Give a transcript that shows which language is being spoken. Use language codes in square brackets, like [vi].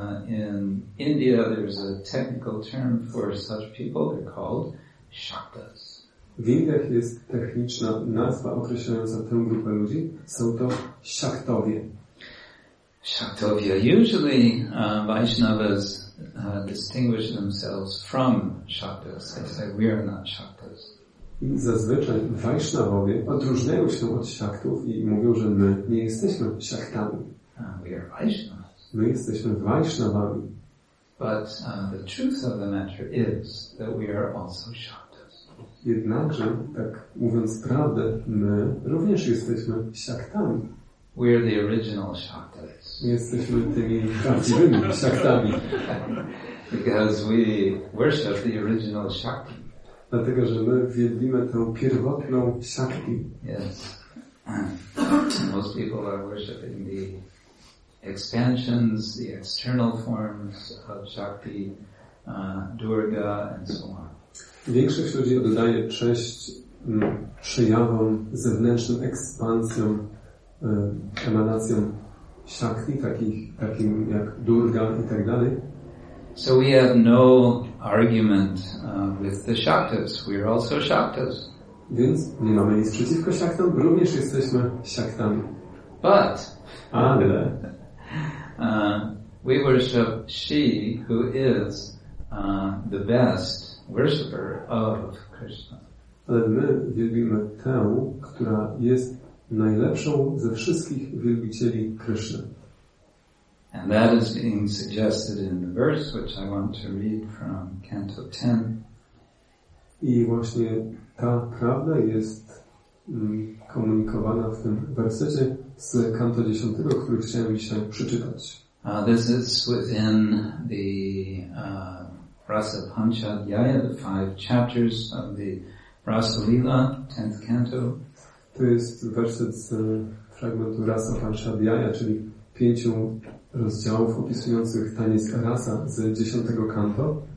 [en] In India there's a technical term for such people. They're called shaktas. [pl] W Indiach jest techniczna nazwa określająca tę grupę ludzi. Są to Shaktowie. [en] Shaktovya. Usually, Vaishnavas distinguish themselves from Shaktas. They say, we are not Shaktas. [pl] I zazwyczaj Vaishnavowie odróżniają się od Shaktów i mówią, że my nie jesteśmy Shaktami. [en] We are Vaishnavas. [pl] My jesteśmy Vaishnavami. [en] But the truth of the matter is that we are also Shaktas. [pl] Jednakże, tak mówiąc prawdę, my również jesteśmy Shaktami. [en] We are the original Shaktas. [pl] My jesteśmy tymi prawdziwymi Shaktami. [en] Because we worship the original Shakti. [pl] Dlatego, że my wielbimy tę pierwotną Shakti. [en] Yes. Most people are worshiping the expansions, the external forms of Shakti, Durga, and so on. [pl] Większość ludzi oddaje cześć przejawom, zewnętrznym ekspansjom, emanacjom Shakti, takim jak Durga i tak dalej. [en] So we have no argument with the Shaktas. We are also Shaktas. [pl] Więc nie mamy nic przeciwko Shaktom, również jesteśmy Shaktami. [en] But [pl] ale [en] we worship she who is the best worshipper of Krishna. [pl] Ale my wielbimy tę, która jest najlepszą ze wszystkich wielbicieli Krishna. [en] And that is being suggested in the verse which I want to read from Canto 10. [pl] I właśnie ta prawda jest komunikowana w tym wersecie z Canto 10, który chciałem dzisiaj przeczytać. [en] This is within the Rasa Panchadhyaya, the five chapters of the Rasa Lila, 10th Canto. [pl] To jest werset z fragmentu Rasa Panchadhyaya, czyli pięciu rozdziałów opisujących taniec rasa z 10 kanto.